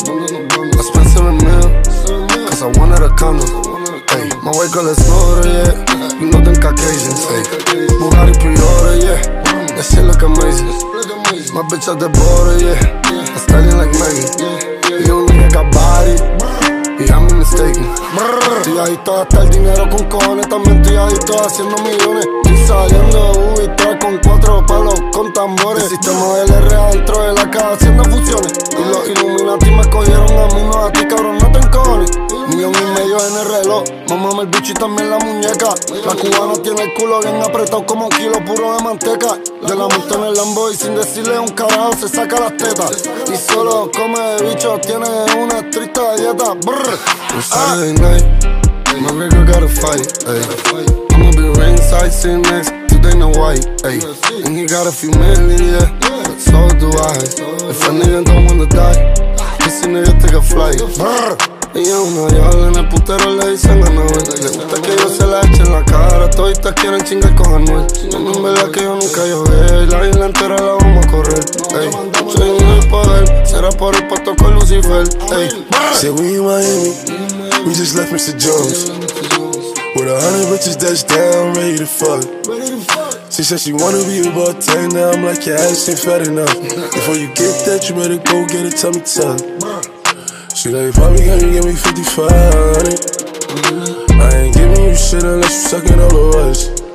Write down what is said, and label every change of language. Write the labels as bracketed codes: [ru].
[en] I spent 7 mil, cause I wanted a condo. Ay, my white girl is older, yeah. You know them Caucasians, ay. Bugatti pre-order, yeah. That shit look amazing. My bitch at the border, yeah. I'm styling like Megan. You don't think I got body, yeah, I'm mistaken. [es] Estoy adicto a gastar dinero con cojones. También estoy adicto a haciendo millones. Y saliendo de Ubi, trae con cuatro palos con tambores. El sistema del R adentro de la casa haciendo fusiones. Y los Illuminati me cogieron a mí, no a ti, cabrón, no te encojones. Millón y medio en el reloj. Mamame el bicho y también la muñeca. La cubana tiene el culo bien apretado como un kilo puro de manteca. Yo la monto en el Lambo y sin decirle un carajo se saca las tetas. Y solo come de bicho, tiene una triste dieta. Brr. [en] On Saturday night, my nigga got a fight, ayy. I'ma be ringside sitting next to Dana White, ayy. And he got a few million, yeah, but so do I. If a nigga don't wanna die, this nigga take a flight. Brr. [es] Ella es una diabla, en el putero le dicen a Noel. Le gusta que yo se la eche en la cara. Toditas quieren chingar con Anuel. En verdad que yo nunca llogué. La isla entera la vamos a correr. Ey, soy un del poder. Será por el pato con Lucifer. Ey, [en] say we in Miami. We just left Mr. Jones. With 100 bitches that's down, ready to fuck. She said she wanna be a bartender. Now I'm like, your ass ain't fat enough. Before you get that, you better go get a tummy tuck. She like, Bobby, can you give me 55, honey? I ain't giving you shit unless you suckin' all of us.